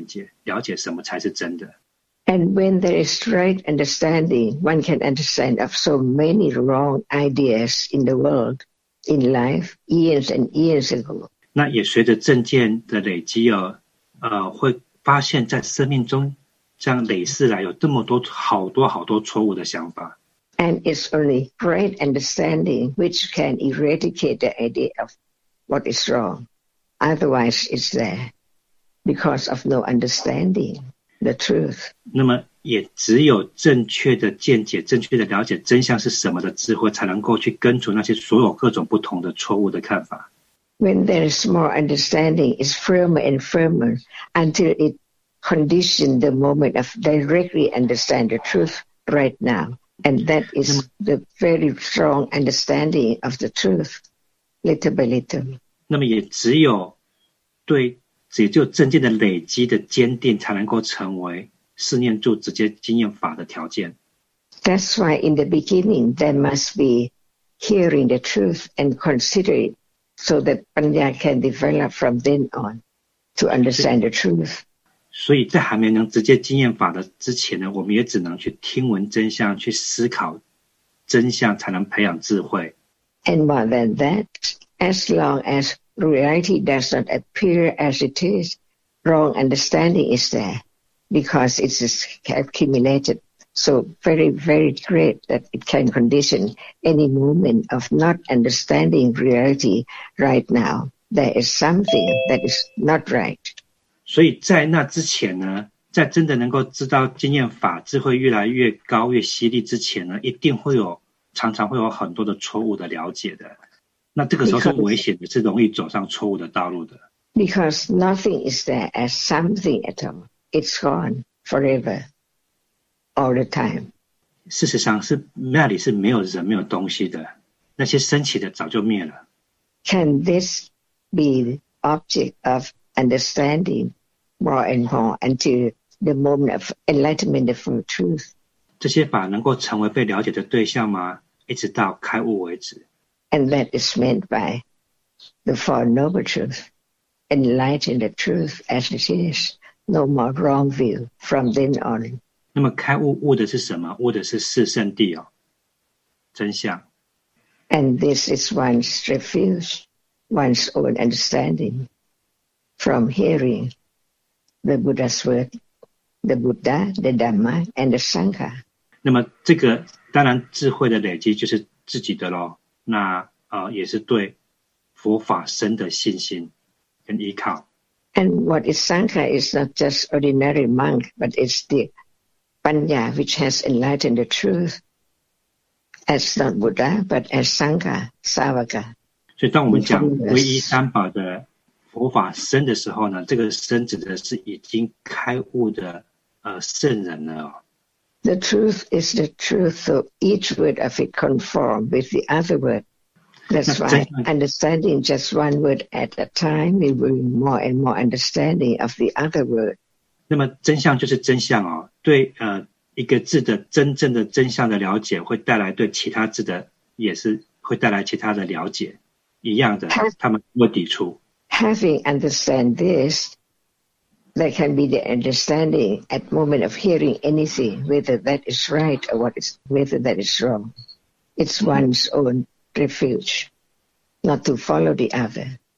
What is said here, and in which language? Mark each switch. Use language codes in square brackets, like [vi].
[zh] 那个对的，那个正确的见解，会带来更多更多的正确的见解，了解什么才是真的。 [en] And when there is right understanding, one can understand of so many wrong ideas in the world, in life, years and years ago. [zh] 那也随着正见的累积，会发现在生命中这样累世来有这么多好多好多错误的想法。 [en] And it's only great understanding which can eradicate the idea of what is wrong. Otherwise, it's there because of no understanding the truth. [zh] 那么也只有正确的见解、正确的了解真相是什么的智慧，才能够去根除那些所有各种不同的错误的看法。 [en] When there is more understanding, it's firmer and firmer until it conditions the moment of directly understand the truth right now. And that is the very strong understanding of the truth, little by little. [zh] 那么也只有对，只有真见的累积的坚定，才能够成为四念住直接经验法的条件。 [en] That's why in the beginning, there must be hearing the truth and consider it. So that Panya can develop from then on to understand the truth. [zh] 所以在还没能直接经验法的之前呢，我们也只能去听闻真相，去思考真相，才能培养智慧。 [en] And more than that, as long as reality does not appear as it is, wrong understanding is there because it's accumulated. So very, very great that it can condition any moment of not understanding reality right now. There is something that is not right. [zh] 所以在那之前呢，在真的能够知道经验法智慧越来越高越犀利之前呢，一定会有常常会有很多的错误的了解的。那这个时候是危险的，是容易走上错误的道路的。 [en] Because nothing is there as something at all. It's gone forever. All the time. [zh] 事实上是那里是没有人没有东西的，那些升起的早就灭了。 [en] Can this be the object of understanding more and more until the moment of enlightenment of truth? [zh] 这些法能够成为被了解的对象吗？一直到开悟为止。 [en] And that is meant by the Four Noble Truths, enlighten the truth as it is, no more wrong view from then on. [zh] 那么开悟悟的是什么？悟的是四圣谛哦，真相。 [en] And this is one's refuge, one's own understanding from hearing the Buddha's word, the Buddha, the Dhamma, and the Sangha. [zh] 那么这个当然智慧的累积就是自己的咯，那也是对佛法生的信心跟依靠。 [en] And what is Sangha is not just ordinary monk, but it's the... Panya, which has enlightened the truth as not Buddha, but as Sangha, Savaka. [zh] 所以当我们讲唯一三宝的佛法僧的时候呢，这个僧指的是已经开悟的圣人了。 [en] The truth is the truth, so each word of it conforms with the other word. That's why understanding just one word at a time, we will be more and more understanding of the other word. [zh] 那么真相就是真相哦，对一个字的真正的真相的了解，会带来对其他字的也是会带来其他的了解，一样的，他们不抵触。 [en] Having understand this, there can be the understanding at moment of hearing anything, whether that is right or what is whether that is wrong. It's one's own refuge, not to follow the other.